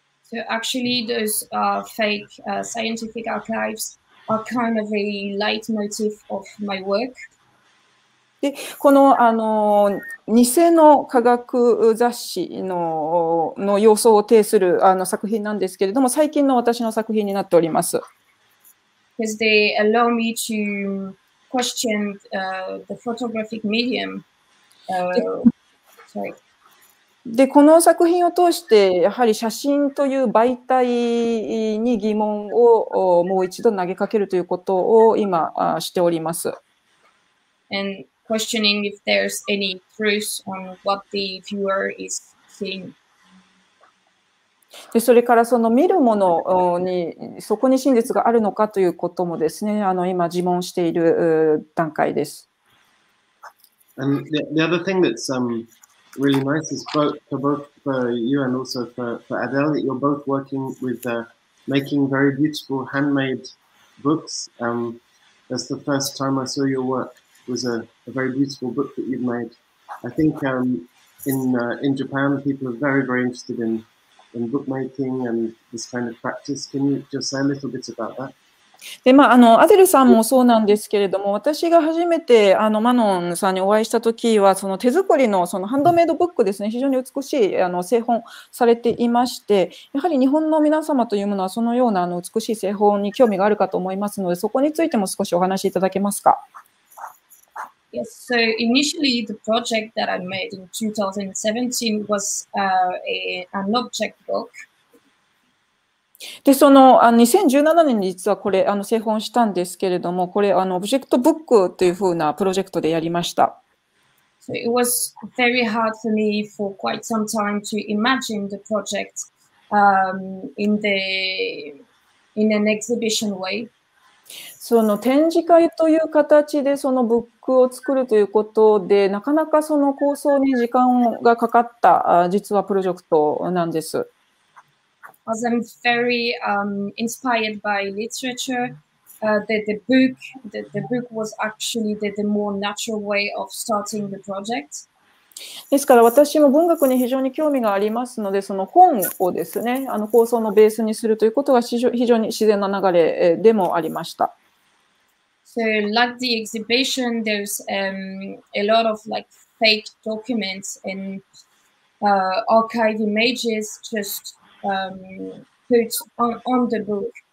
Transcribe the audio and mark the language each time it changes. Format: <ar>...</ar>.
<en>So actually those fake scientific archives are kind of a leitmotif of my work.</en> <ja>でこの偽の科学雑誌 の様相を呈する作品なんですけれども最近の私の作品になっております。</ja> <en>Because they allow me to question the photographic medium.</en> <ja>で、この作品を通して、やはり写真という媒体に疑問をもう一度投げかけるということを今しております。</ja> <en>And questioning if there's any truth on what the viewer is seeing.</en> <ja>でそれからその見るものにそこに真実があるのかということもですね今自問している段階です。</ja> <en>And the other thing that's really nice is for both for you and also for Adele that you're both working with making very beautiful handmade books. That's the first time I saw your work was a very beautiful book that you've made. I think in Japan people are very very interested inand bookmaking and this kind of practice. Can you just say a little bit about that?</en> <ja>で、まあ、アデルさんもそうなんですけれども、私が初めてマノンさんにお会いしたときは、その手作りの、そのハンドメイドブックですね、非常に美しい製本されていまして、やはり日本の皆様というものは、そのような美しい製本に興味があるかと思いますので、そこについても少しお話しいただけますか。</ja> <en>Yes, so initially the project that I made in 2017 was an object book.</en> <ja>で、その2017年に実はこれ製本したんですけれども、これオブジェクトブックというふうなプロジェクトでやりました。</ja> <en>So it was very hard for me for quite some time to imagine the project in an exhibition way.</en> <ja>その展示会という形でそのブックを作るということでなかなかその構想に時間がかかった実はプロジェクトなんです。</ja> <en>As I'm very inspired by literature, the book was actually the more natural way of starting the project.</en> <ja>ですから私も文学に非常に興味がありますので、その本をですね、構想のベースにするということが非常に自然な流れでもありました。</ja> <en>So, like the exhibition, there's a lot of like fake documents and archive images just put on the book.</en>